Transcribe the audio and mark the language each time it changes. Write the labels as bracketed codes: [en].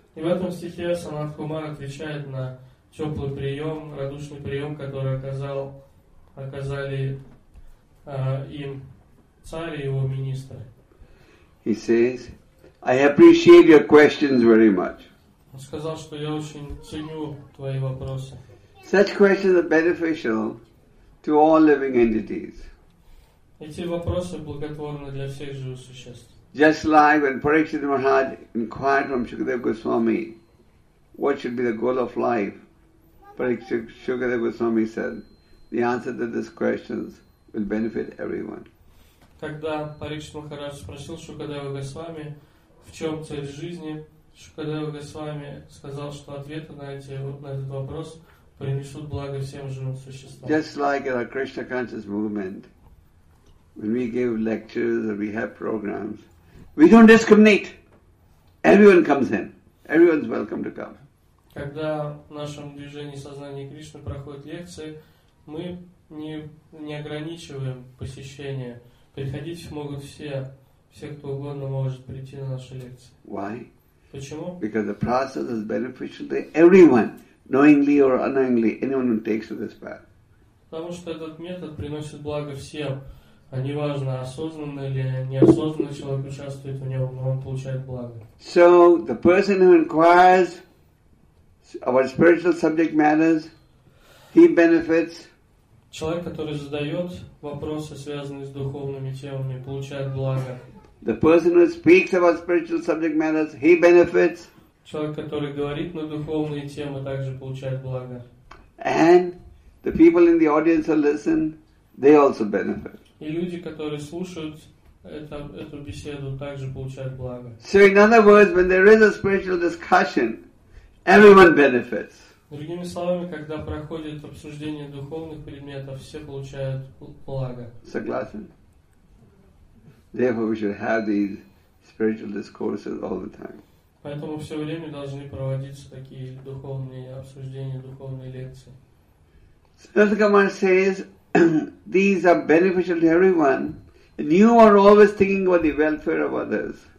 [ru] И в этом стихе Санат Кумар отвечает на теплый прием, радушный прием, который оказали им царь и его министры. [en] He says, I appreciate your questions very much. [ru] Он сказал, что я очень ценю твои вопросы. [en] Such questions are beneficial to all living entities. [ru] Эти вопросы благотворны для всех живых существ. [en] Just like when Parikshit Maharaj inquired from Shukadeva Goswami, what should be the goal of life? Shukadeva Goswami said, the answer to these questions will benefit everyone. [ru] Когда Парикшит Махарадж спросил Шукадева Госвами, в чем цель жизни, Шукадева Госвами сказал, что ответ на этот вопрос принесут благо всем живым существам. [en] Just like in our Krishna conscious movement, when we give lectures or we have programs, we don't discriminate. Everyone comes in. Everyone's welcome to come. [ru] Когда в нашем движении сознания Кришны проходят лекции, мы не ограничиваем посещение. Приходить могут все. Все, кто угодно, может прийти на наши лекции. [en] Why? [ru] Почему? [en] Because the process is beneficial to everyone, knowingly or unknowingly, anyone who takes to this path. [ru] Потому что этот метод приносит благо всем. А неважно, осознанно или неосознанно человек участвует в нем, но он получает благо. [en] So, the person who inquires about spiritual subject matters, he benefits. [ru] Человек, который задает вопросы, связанные с духовными темами, получает благо. [en] The person who speaks about spiritual subject matters, he benefits. [ru] Человек, который говорит на духовные темы, также получает благо. [en] And the people in the audience who listen, they also benefit. [ru] И люди, которые слушают эту беседу, также получают благо. [en] So in other words, when there is a spiritual discussion, everyone benefits. [ru] Другими словами, когда проходит обсуждение духовных предметов, все получают благо. Согласен? [en] Therefore, we should have these spiritual discourses all the time. [ru] Поэтому все время должны проводиться такие духовные обсуждения, духовные лекции. [en] Srila Kumar says, these are beneficial to everyone, and you are always thinking about the welfare of others.